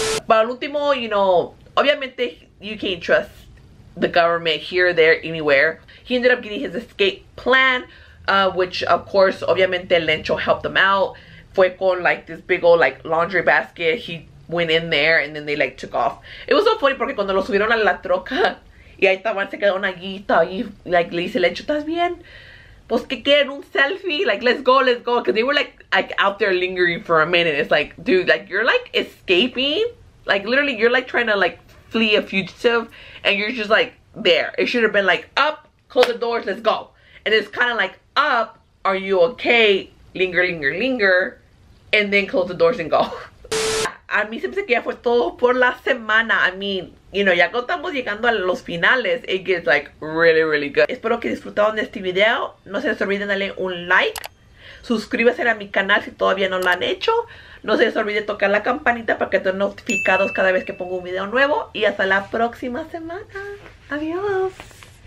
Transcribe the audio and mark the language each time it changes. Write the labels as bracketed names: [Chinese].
[English] But al último, you know, obviamente, you can't trust the government here, there, anywhere. He ended up getting his escape plan Which, of course, obviamente, Lencho helped them out. Fue con, like, this big old, like, laundry basket. He went in there, and then they, like, took off. [Spanish] It was so funny, porque cuando lo subieron a la troca, y ahí estaba, se quedó una guita ahí, like, le dice, Lencho, ¿estás bien? Pues, ¿qué quieren? ¿Un selfie? [English] Like, let's go, because they were, like, out there lingering for a minute. It's like, dude, like, you're, like, escaping. Like, literally, you're, like, trying to, like, flee a fugitive, and you're just, like, there. It should have been, like, up, close the doors, let's go. And it's kind of like, up, are you okay? Linger, linger, linger. And then close the doors and go. [Spanish] A mí se me hace que ya fue todo por la semana. I mean, you know, ya cuando estamos llegando a los finales, it gets like really, really good. Espero que disfrutaron de este video. No se les olvide darle un like. Suscríbase a mi canal si todavía no lo han hecho. No se les olvide tocar la campanita para que estén notificados cada vez que pongo un video nuevo. Y hasta la próxima semana. Adiós.